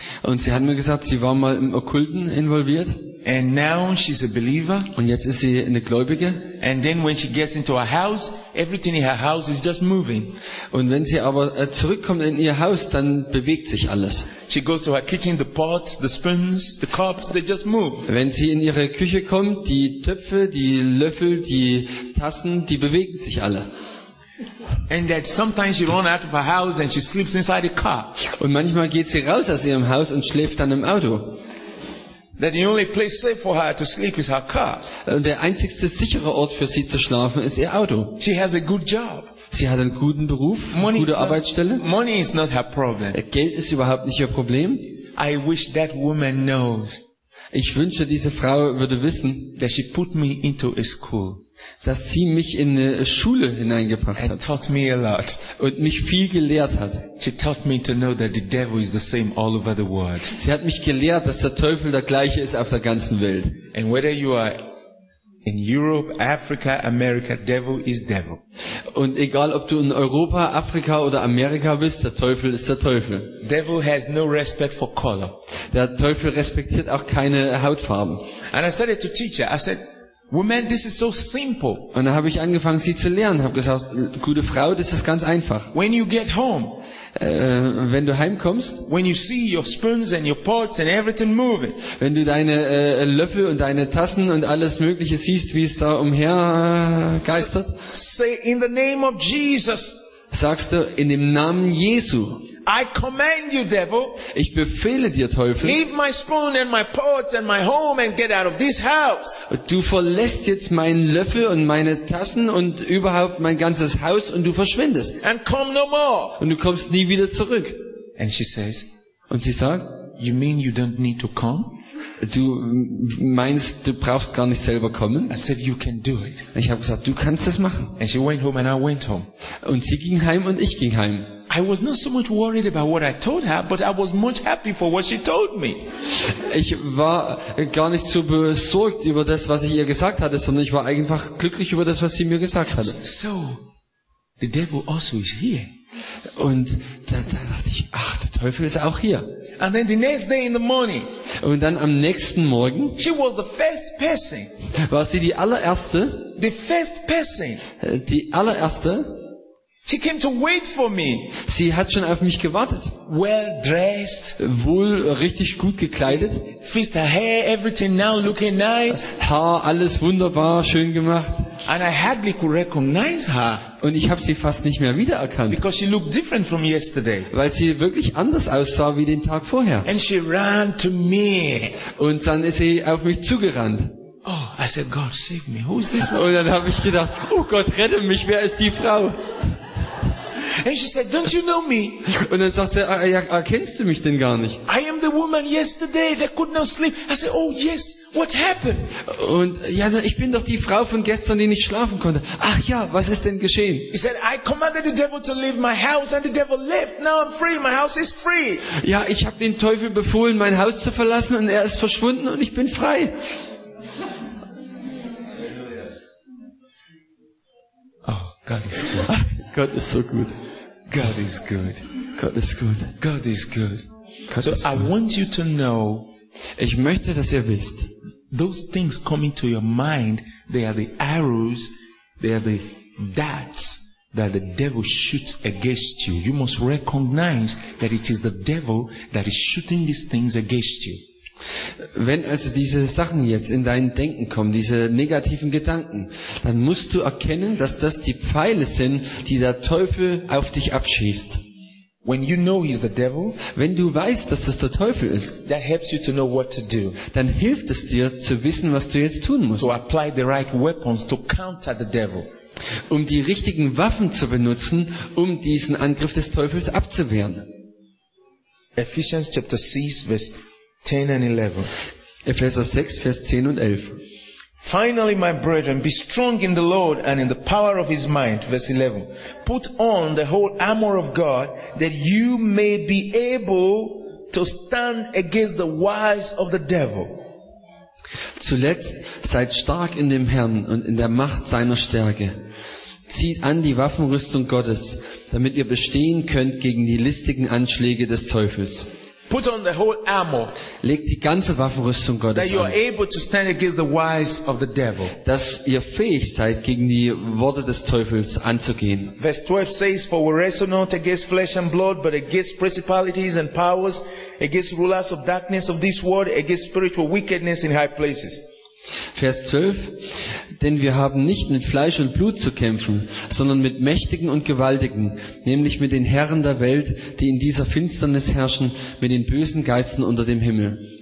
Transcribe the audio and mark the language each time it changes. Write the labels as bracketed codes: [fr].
[de] Und sie hat mir gesagt, sie war mal im Okkulten involviert. [en] And now she's a believer. [de] Und jetzt ist sie eine Gläubige. [en] And then when she gets into her house, everything in her house is just moving. [de] Und wenn sie aber zurückkommt in ihr Haus, dann bewegt sich alles. [en] She goes to her kitchen, the pots, the spoons, the cups, they just move. [de] Wenn sie in ihre Küche kommt, die Töpfe, die Löffel, die Tassen, die bewegen sich alle. [en] And that sometimes she runs out of her house and she sleeps inside a car. [de] Und manchmal geht sie raus aus ihrem Haus und schläft dann im Auto. [en] That the only place safe for her to sleep is her car. [de] Der einzigste sichere Ort für sie zu schlafen ist ihr Auto. [en] She has a good job. [de] Sie hat einen guten Beruf, eine gute Arbeitsstelle. [en] Money is not her problem. [de] Geld ist überhaupt nicht ihr Problem. [en] I wish that woman knows. [de] Ich wünsche, diese Frau würde wissen, [en] that she put me into a school. [de] dass sie mich in eine Schule hineingebracht hat. [en] And taught me a lot. [de] Und mich viel gelehrt hat. [en] She taught me to know that the devil is the same all over the world. [de] Sie hat mich gelehrt, dass der Teufel der gleiche ist auf der ganzen Welt. [en] And whether you are in Europe, Africa, America, devil is devil. [de] Und egal ob du in Europa, Afrika oder Amerika bist, der Teufel ist der Teufel. [en] Devil has no respect for color. [de] Der Teufel respektiert auch keine Hautfarben. [en] And I started to teach her. I said, "Woman, this is so simple." [de] Und da habe ich angefangen, sie zu lernen. Habe gesagt, gute Frau, das ist ganz einfach. [en] When you get home, [de] wenn du heimkommst, [en] when you see your spoons and your pots and everything moving, [de] wenn du deine Löffel und deine Tassen und alles Mögliche siehst, wie es da umher geistert, [en] say in the name of Jesus, [de] sagst du in dem Namen Jesu, [en] I command you, devil, [de] ich befehle dir, Teufel, [en] leave my spoon and my pots and my home and get out of this house. [de] Du verlässt jetzt meinen Löffel und meine Tassen und überhaupt mein ganzes Haus und du verschwindest. [en] And come no more. [de] Und du kommst nie wieder zurück. [en] And she says, [de] und sie sagt, [en] you mean you don't need to come? [de] Du meinst, du brauchst gar nicht selber kommen? [en] I said, you can do it. [de] Ich habe gesagt, du kannst es machen. [en] And she went home and I went home. [de] Und sie ging heim und ich ging heim. [en] I was not so much worried about what I told her, but I was much happy for what she told me. [de] Ich war gar nicht so besorgt über das, was ich ihr gesagt hatte, sondern ich war einfach glücklich über das, was sie mir gesagt hatte. [en] So, the devil also is here. [de] Und da dachte ich, ach, der Teufel ist auch hier. [en] And then the next day in the morning. [de] Und dann am nächsten Morgen. [en] She was the first person. [de] War sie die allererste? [en] The first person. [de] Die allererste. [en] She came to wait for me. [de] Sie hat schon auf mich gewartet. [en] Well dressed. [de] Wohl richtig gut gekleidet. [en] Fixed her hair, everything now looking nice. [de] Haar alles wunderbar schön gemacht. [en] And I hardly could recognize her. [de] Und ich habe sie fast nicht mehr wiedererkannt. [en] Because she looked different from yesterday. [de] Weil sie wirklich anders aussah wie den Tag vorher. [en] And she ran to me. [de] Und dann ist sie auf mich zugerannt. [en] Oh, I said, God save me. Who is this one? [de] Und dann habe ich gedacht, oh Gott, rette mich, wer ist die Frau? [en] And she said, "Don't you know me?" [de] Und dann sagte er, ja, kennst du mich denn gar nicht? [en] I am the woman yesterday that could not sleep. I said, "Oh yes, what happened?" [de] Und ja, ich bin doch die Frau von gestern, die nicht schlafen konnte. Ach ja, was ist denn geschehen? [en] He said, "I commanded the devil to leave my house, and the devil left. Now I'm free. My house is free." [de] Ja, ich habe den Teufel befohlen, mein Haus zu verlassen, und er ist verschwunden und ich bin frei. [en] Oh, God is good. God is so good. God is good. God is good. God is good. God so is good. I want you to know. [de] Ich möchte, dass ihr wisst. [en] Those things coming to your mind, they are the arrows, they are the darts that the devil shoots against you. You must recognize that it is the devil that is shooting these things against you. [de] Wenn also diese Sachen jetzt in dein Denken kommen, diese negativen Gedanken, dann musst du erkennen, dass das die Pfeile sind, die der Teufel auf dich abschießt. [en] When you know he's the devil, [de] wenn du weißt, dass es der Teufel ist, [en] that helps you to know what to do. [de] Dann hilft es dir zu wissen, was du jetzt tun musst. [en] To apply the right weapons to counter the devil. [de] Um die richtigen Waffen zu benutzen, um diesen Angriff des Teufels abzuwehren. [en] Ephesians chapter 6 verse 10 and 11. [de] Epheser 6, Vers 10 und 11. [en] Finally, my brethren, be strong in the Lord and in the power of his might. Verse 11. Put on the whole armor of God, that you may be able to stand against the wiles of the devil. [de] Zuletzt, seid stark in dem Herrn und in der Macht seiner Stärke. Zieht an die Waffenrüstung Gottes, damit ihr bestehen könnt gegen die listigen Anschläge des Teufels. [en] Put on the whole armor. [de] Legt die ganze Waffenrüstung Gottes an. [en] That you are able to stand against the wiles of the devil. [de] Dass ihr fähig seid, gegen die Worte des Teufels anzugehen. [en] Verse 12 says, for we wrestle not against flesh and blood, but against principalities and powers, against rulers of darkness of this world, against spiritual wickedness in high places. [de] Vers 12, denn wir haben nicht mit Fleisch und Blut zu kämpfen, sondern mit Mächtigen und Gewaltigen, nämlich mit den Herren der Welt, die in dieser Finsternis herrschen, mit den bösen Geistern unter dem Himmel.